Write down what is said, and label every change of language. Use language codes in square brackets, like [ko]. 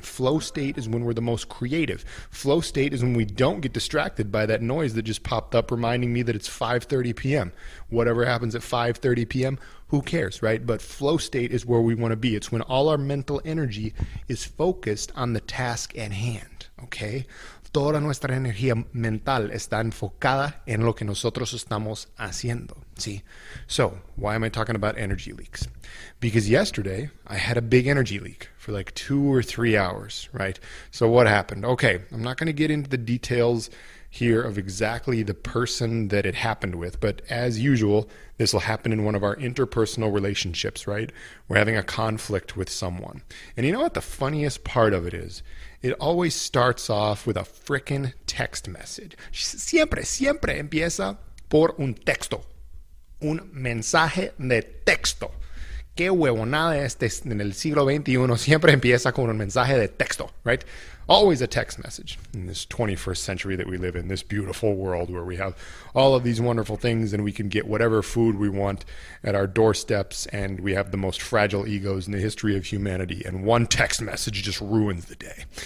[en] Flow state is when we're the most creative. Flow state is when we don't get distracted by that noise that just popped up reminding me that it's 5:30 p.m. Whatever happens at 5:30 p.m., who cares, right? But flow state is where we want to be. It's when all our mental energy is focused on the task at hand, okay? [es] Toda nuestra energía mental está enfocada en lo que nosotros estamos haciendo, ¿sí? [en] So, why am I talking about energy leaks? Because yesterday, I had a big energy leak for like 2 or 3 hours, right? So what happened? Okay, I'm not going to get into the details here of exactly the person that it happened with, but as usual, this will happen in one of our interpersonal relationships, right? We're having a conflict with someone. And you know what the funniest part of it is? It always starts off with a frickin' text message. [es] Siempre empieza por un texto. Un mensaje de texto. Qué huevonada este en el siglo XXI. Siempre empieza con un mensaje de texto, right? [en] Always a text message in this 21st century that we live in, this beautiful world where we have all of these wonderful things and we can get whatever food we want at our doorsteps and we have the most fragile egos in the history of humanity and one text message just ruins the day.